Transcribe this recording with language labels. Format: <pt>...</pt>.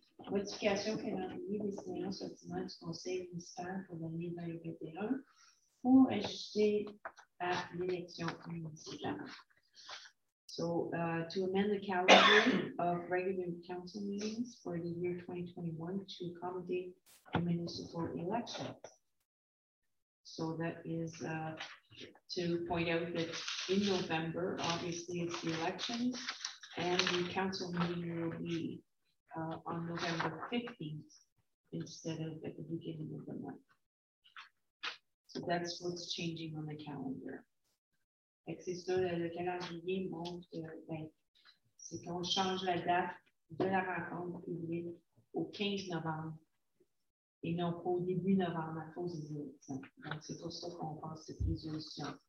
<fr>Modification qui a rendu les séances ultimement du conseil municipal pour l'année 2021 pour ajuster à l'élection municipale.</fr> <en>So, to amend the calendar of regular council meetings for the year 2021 to accommodate the municipal election. So, that is to point out that in November, obviously, it's the elections and the council meeting will be on November 15th instead of at the beginning of the month. So, that's what's changing on the calendar.</en> <fr>C'est ça, le calendrier montre que ben, c'est qu'on change la date de la rencontre publique au 15 novembre et non pas au début novembre à cause des élections. Donc, c'est pour ça qu'on pense cette résolution.</fr>